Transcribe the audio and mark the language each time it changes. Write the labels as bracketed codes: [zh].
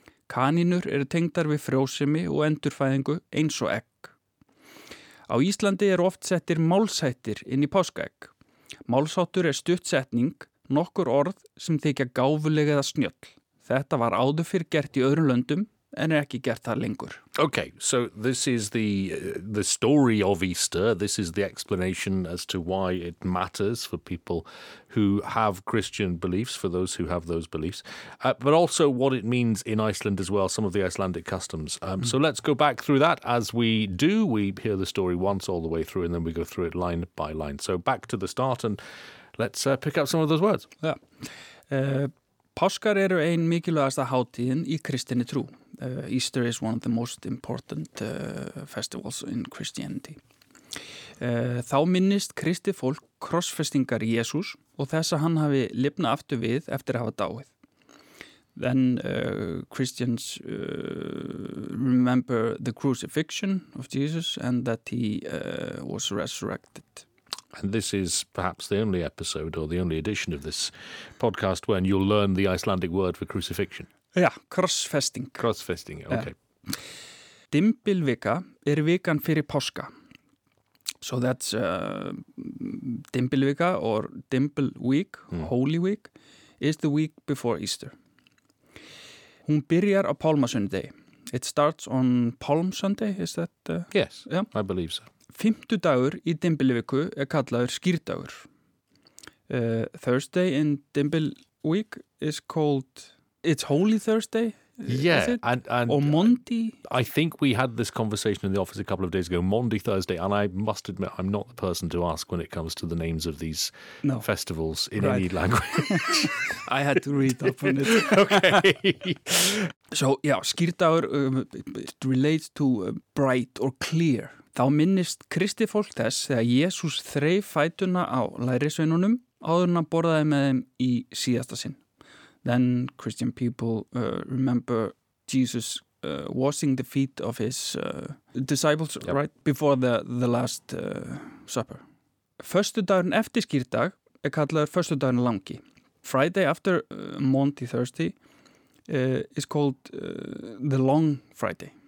[is] Kanínur eru tengdar við frjósemi og endurfæðingu eins og egg. Á Íslandi oft settir málshættir inn í páskaegg. Málsháttur stutt setning, nokkur orð sem þykja gáfuleg eða snjöll. Þetta var áður fyrr gert í öðrum löndum, en ekki gert það lengur. [en] Okay, so this is the story of Easter. This is the explanation as to why it matters for people who have Christian beliefs, for those who have those beliefs, but also what it means in Iceland as well, some of the Icelandic customs. So let's go back through that as we do. We hear the story once all the way through and then we go through it line by line. So back to the start and let's pick up some of those words. [is] Yeah. Páskar eru ein mikilvægasta hátíðin í kristinni trú. [en] Easter is one of the most important festivals in Christianity. [is] Þá minnist kristið fólk krossfestingar Jesús og þess að hann hafi lifna aftur við eftir að hafa dáið. [en] Then Christians remember the crucifixion of Jesus and that he was resurrected. And this is perhaps the only episode or the only edition of this podcast when you'll learn the Icelandic word for crucifixion. Yeah, krossfesting. Krossfesting, okay. [is] Dymbilvika vikan fyrir páska. [en] So that's Dymbilvika or Dymble Week, Holy Week, is the week before Easter. [is] Hún byrjar á Pálmasundi. [en] It starts on Palm Sunday, is that? Yes, yeah. I believe so. [is] Fimmtu dagur í Dymbilviku kallaður skýrdagur. [en] Thursday in Dymble Week is called... It's Holy Thursday, yeah, is it? And or Maundy? I think we had this conversation in the office a couple of days ago, Maundy Thursday, and I must admit I'm not the person to ask when it comes to the names of these festivals in any language. I had to read up on it. Okay. So, yeah, skýrdagur relates to bright or clear. [is] Þá minnist kristið fólk þess þegar Jesús þreif fætuna á lærisveinunum áður en að borðaði með þeim í síðasta sinn. [en] Then Christian people remember Jesus washing the feet of his disciples, yep. Right, before the last supper. [is] Föstudagurinn eftir skýrdag kallaður föstudagurinn langi. [en] Friday after Maundy Thursday is called the Long Friday.